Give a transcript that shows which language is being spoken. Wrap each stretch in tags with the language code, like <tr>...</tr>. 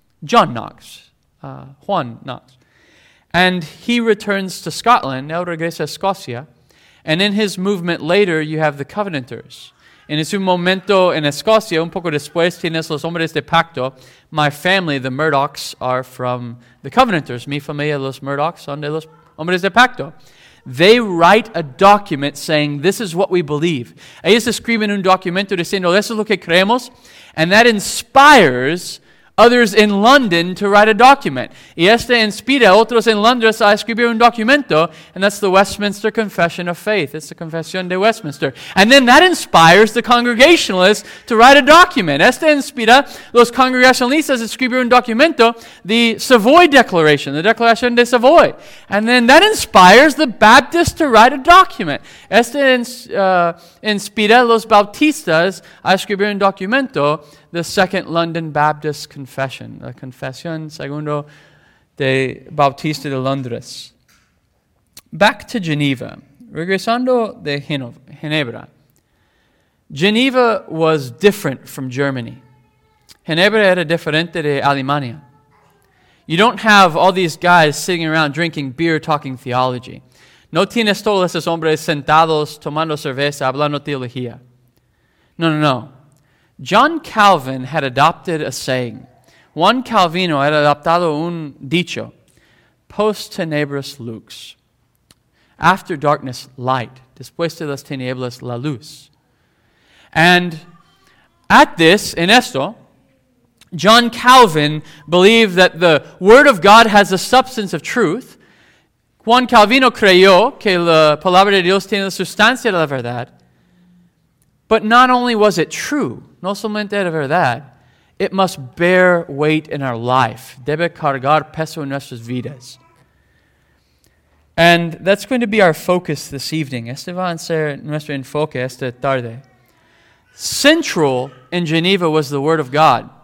<en>John Knox. Juan Knox. And he returns to Scotland.</en> <es>Él regresa a Escocia.</es> <en>And in his movement later, you have the Covenanters.</en> <es>En ese momento en Escocia, un poco después, tienes los hombres de pacto.</es> <en>My family, the Murdochs, are from the Covenanters.</en> <es>Mi familia, los Murdochs, son de los hombres de pacto.</es> <en>They write a document saying, this is what we believe.</en> <es>Ellos escriben un documento diciendo, eso es lo que creemos.</es> <en>And that inspires others in London to write a document.</en> <es>Y este inspira a otros en Londres a escribir un documento,</es> <en>and that's the Westminster Confession of Faith. It's the</en> <es>Confesión de Westminster.</es> <en>And then that inspires the Congregationalists to write a document.</en> <es>Este inspira los Congregationalistas a escribir un documento, the Savoy Declaration, the Declaration de Savoy.</es> <en>And then that inspires the Baptists to write a document.</en> <es>Este inspira los Bautistas a escribir un documento, the Second London Baptist Confession, la Confesión Segundo de Bautista de Londres.</es> <en>Back to Geneva.</en> <es>Regresando de Ginebra.</es> <en>Geneva was different from Germany.</en> <es>Ginebra era diferente de Alemania.</es> <en>You don't have all these guys sitting around drinking beer talking theology.</en> <es>No tienes todos esos hombres sentados tomando cerveza hablando teología.</es> <en>No, no, no. John Calvin had adopted a saying.</en> <es>Juan Calvino had adoptado un dicho.</es> <la>Post tenebris lux.</la> <en>After darkness, light.</en> <es>Después de las tinieblas, la luz.</es> <en>And at this,</en> <es>en esto,</es> <en>John Calvin believed that the Word of God has the substance of truth.</en> <es>Juan Calvino creyó que la palabra de Dios tiene la sustancia de la verdad.</es> <en>But not only was it true,</en> <es>no solamente era verdad,</es> <en>it must bear weight in our life.</en> <es>Debe cargar peso en nuestras vidas.</es> <en>And that's going to be our focus this evening.</en> <es>Este va a ser nuestro enfoque esta tarde.</es> <en>Central in Geneva was the Word of God.</en>